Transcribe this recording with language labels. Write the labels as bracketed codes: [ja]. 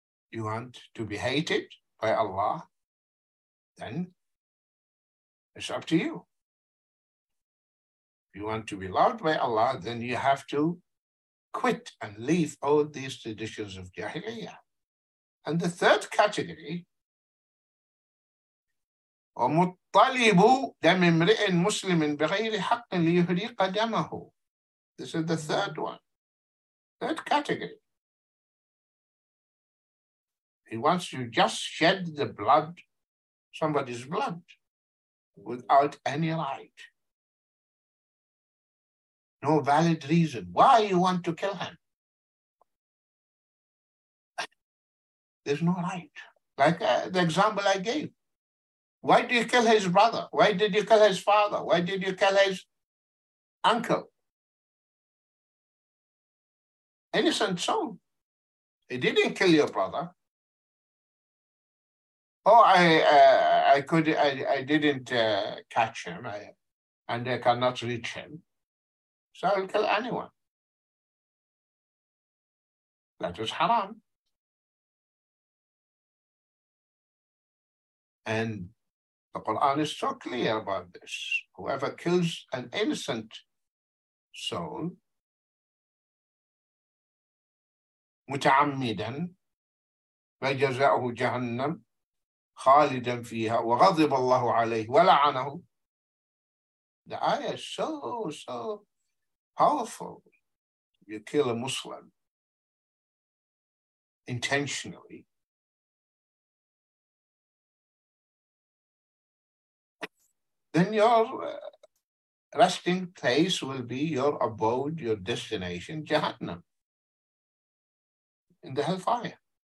[en] You want to be hated by Allah, then it's up to you. If you want to be loved by Allah, then you have to quit and leave all these traditions of Jahiliyyah. [ar] And the third category, وَمُطَّلِبُ دَمِ امْرِئٍ مُسْلِمٍ بِغَيْرِ حَقٍ لِيُهْرِيقَ دَمَهُ. [en] This is the third one, third category. He wants to just shed the blood, somebody's blood, without any right. No valid reason. Why you want to kill him? There's no right. Like the example I gave. Why do you kill his brother? Why did you kill his father? Why did you kill his uncle? Innocent soul. He didn't kill your brother. Oh, I didn't catch him. And I cannot reach him. So I'll kill anyone. That is haram. And the Quran is so clear about this. [ar] Whoever kills an innocent soul, متعمداً فجزاؤه جهنم خالداً فيها وغضب الله عليه ولعنه. [en] The ayah is so, so powerful. You kill a Muslim intentionally. Then your resting place will be your abode, your destination, Jahannam, in the hellfire.